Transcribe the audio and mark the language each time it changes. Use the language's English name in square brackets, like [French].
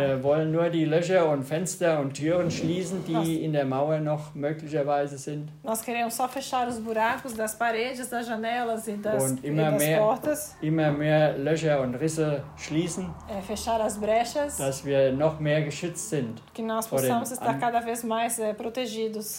[German] Wir wollen nur die Löcher und Fenster und Türen schließen, die in der Mauer noch möglicherweise sind. [Portuguese] Nós queremos só fechar os buracos das paredes, das janelas e das, [German] und immer [Portuguese] e das [German] mehr, [Portuguese] portas. [German] Immer mehr Löcher und Risse schließen. [Portuguese] Fechar as brechas. [German] Dass wir noch mehr geschützt sind. [Portuguese] Que nós possamos estar cada vez mais protegidos.